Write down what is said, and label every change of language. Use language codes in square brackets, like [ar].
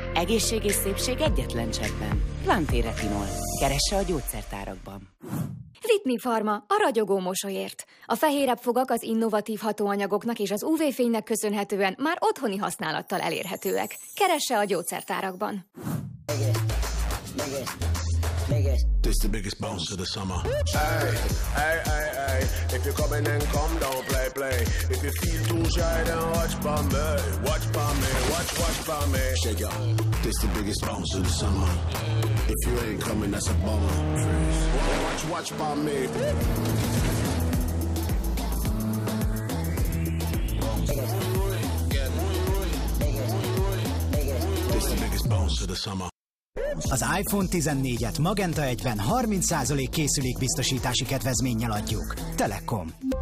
[hu] Egészség és szépség egyetlen cseppben. Planté Retinol. Keresse a gyógyszertárakban. Ritmi Pharma, a ragyogó mosolyért. A fehérebb fogak az innovatív hatóanyagoknak és az UV-fénynek köszönhetően már otthoni használattal elérhetőek. Keresse a gyógyszertárakban. [en] This the biggest bounce of the summer. Hey, hey, hey, hey. If you're coming then come down, play, play. If you feel too shy then watch by me. Watch by me, watch, watch by me. Shake it. This the biggest bounce of the summer. If you ain't coming that's a bummer. Watch, watch by me. This the biggest bounce of the summer. [hu] Az iPhone 14-et Magenta 1-ben 30% készülék biztosítási kedvezménnyel adjuk. Telekom.